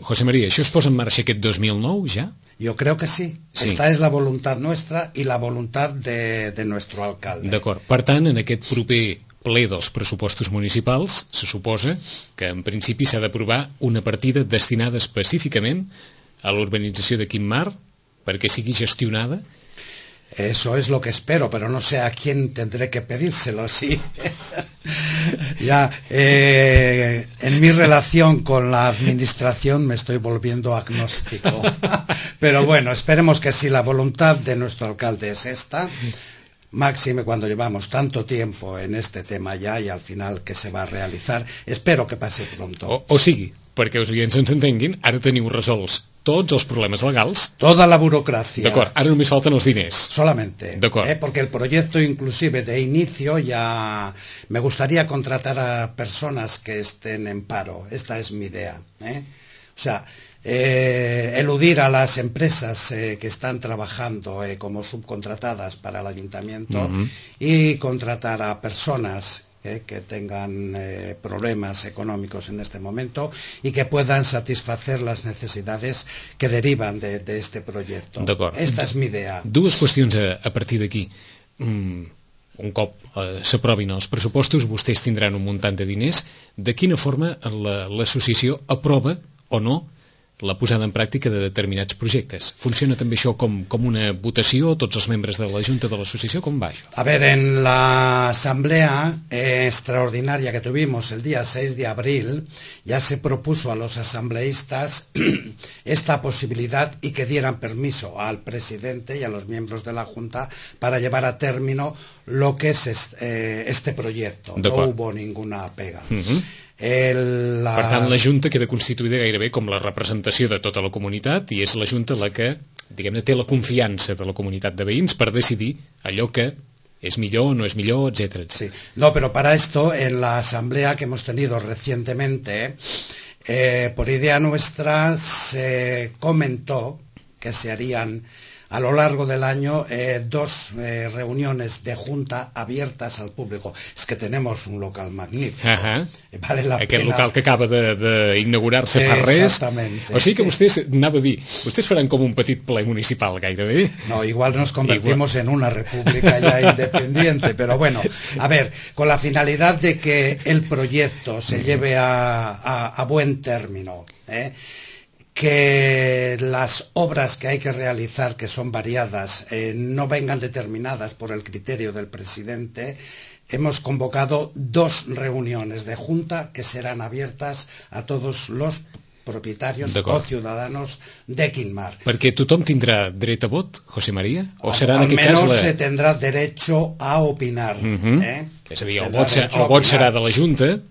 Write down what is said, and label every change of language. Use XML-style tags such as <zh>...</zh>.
<ca>José María, ¿això es posa en marxa aquest 2009 ja?</ca> <es>Yo creo que sí. Sí. Esta es la voluntad nuestra y la voluntad de nuestro alcalde.</es> <ca>D'acord. Per tant, en aquest proper ple dels pressupostos municipals, se suposa que en principi s'ha d'aprovar una partida destinada específicament a l'urbanització de Quim Mar perquè sigui gestionada.</ca> <es>Eso es lo que espero, pero no sé a quién tendré que pedírselo, sí. Ya, en mi relación con la administración me estoy volviendo agnóstico. Pero bueno, esperemos que sí, la voluntad de nuestro alcalde es esta. Máxime cuando llevamos tanto tiempo en este tema ya y al final que se va a realizar. Espero que pase pronto.</es> <ca>O sigui, perquè els oients ens entenguin, ara teniu resolts tots els problemes legals.</ca> <es>Toda la burocracia.</es> <ca>D'acord, ara només falten els diners.</ca> <es>Solamente.</es> <ca>D'acord.</ca> <es>Porque el proyecto inclusive de inicio ya me gustaría contratar a personas que estén en paro. Esta es mi idea. O sea, eludir a las empresas que están trabajando como subcontratadas para el ayuntamiento y contratar a personas que tengan problemas económicos en este momento y que puedan satisfacer las necesidades que derivan de este proyecto.</es> <ca>D'acord.</ca> <es>Esta es mi idea.</es> <ca>Dues qüestions a partir d'aquí. Un cop s'aprovin els pressupostos, vostès tindran un muntant de diners. De quina forma l'associació aprova o no la posada en pràctica de determinats projectes? Funciona també això com una votació, tots els membres de la Junta de l'Associació? Com va això?</ca> <es>A ver, en la asamblea extraordinaria que tuvimos el día 6 de abril, ya se propuso a los asambleístas esta posibilidad y que dieran permiso al presidente y a los miembros de la Junta para llevar a término lo que es este proyecto. De no</es> <ca>qual?</ca> <es>Hubo ninguna pega.</es> <ca>Per tant, la Junta queda constituïda gairebé com la representació de tota la comunitat i és la Junta la que, diguem-ne, té la confiança de la comunitat de veïns per decidir allò que és millor, no és millor, etc. Sí. No, però per això,</ca> <es>en la assemblea que hemos tenido recientemente, por idea nuestra se comentó que se harían a lo largo del año dos reuniones de junta abiertas al público. Es que tenemos un local magnífico. Uh-huh. Vale la</es> <ca>aquest</ca> <es>pena.</es> <ca>Local que acaba d'inaugurar-se fa res.</ca> <es>Exactamente.</es> <ca>O sigui que vostès, anava a dir, vostès faran com un petit ple municipal gairebé.</ca> <es>No, igual nos convertimos en una república ya independiente. Pero bueno, a ver, con la finalidad de que el proyecto se lleve a buen término, que las obras que hay que realizar, que son variadas, no vengan determinadas por el criterio del presidente, hemos convocado dos reuniones de junta que serán abiertas a todos los propietarios o ciudadanos de Quim Mar.</es> <ca>Perquè tothom tindrà dret a vot, José María? O serà en aquest cas</ca> <es>almenys se tendrá derecho a opinar.</es> <ca>És a dir, el vot serà de la Junta.</ca>